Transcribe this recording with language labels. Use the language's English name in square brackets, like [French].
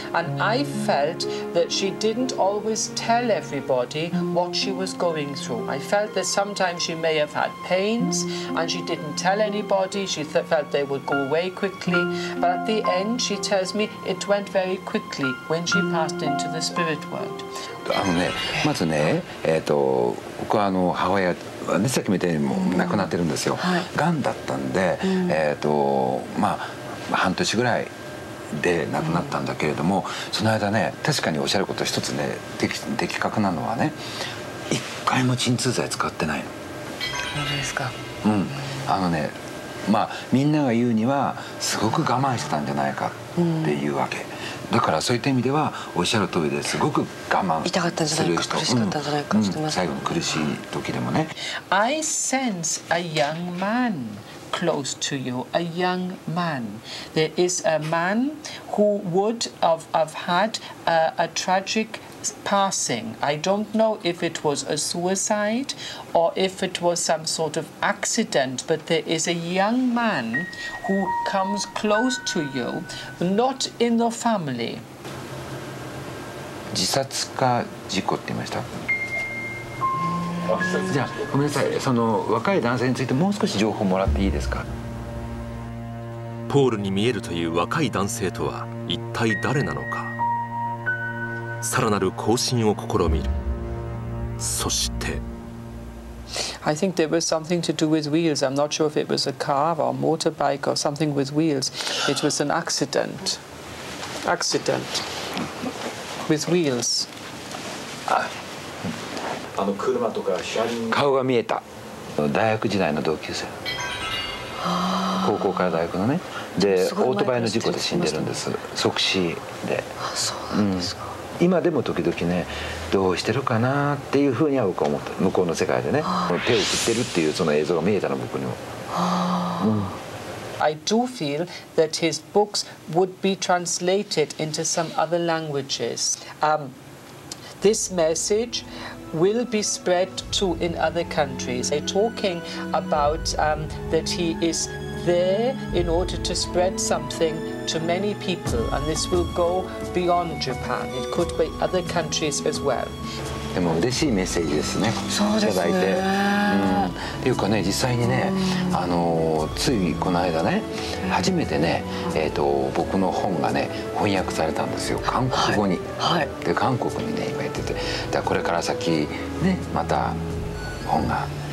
[English] And I felt that she didn't always tell everybody what she was going through. I felt that sometimes she may have had pains and she didn't tell anybody. She felt they would go away quickly. But at the end, she tells me it went very quickly when she passed into the spirit world. [Japanese] あのね、まずね、僕はあの母親さっきみたいにもう亡くなってるんですよ、はい、癌だったんで、うん、まあ半年ぐらいで亡くなったんだけれども、うん、その間ね、確かにおっしゃること一つね、的確なのはね、一回も鎮痛剤使ってないの。本当ですか？うん、あのね、まあみんなが言うにはすごく我慢してたんじゃないかっていうわけ、うん、だからそういった意味ではおっしゃる通りですごく我慢痛かったんじゃないか、苦しかったんじゃないか、うんうん、最後の苦しい時でもね。 [English] I sense a young man close to you, a young man. There is a man who would have had a tragic passing. I don't know if it was a suicide or if it was some sort of accident, but there is a young man who comes close to you, not in the family. [Japanese] 自殺か事故って言いました。じゃあごめんなさい、その若い男性についてもう少し情報もらっていいですか？ポールに見えるという若い男性とは一体誰なのか。さらなる更新を試みる。そして [English] I think there was something to do with wheels. I'm not sure if it was a car or a motorbike or something with wheels. It was an accident. Accident. With wheels. [Japanese] あの車とか車輪。顔が見えた。大学時代の同級生。高校から大学のね。で、オートバイの事故で死んでるんです。即死で。そうなんですか。今でも時々ね、どうしてるかなっていうふうには僕は思った。向こうの世界でね、手を振ってるっていうその映像が見えたの僕にも。 [English] I do feel that his books would be translated into some other languages. This message will be spread to in other countries. They're talking about that he is there in order to spread something. To many people, and this will go beyond Japan. It could be other countries as well. [Japanese] でも嬉しいメッセージですね。そうですね。っていうかね、実際にね、ついこの間ね、初めてね、僕の本がね翻訳されたんですよ、韓国語に。はい。で韓国にね今言ってて、だこれから先ねまた本が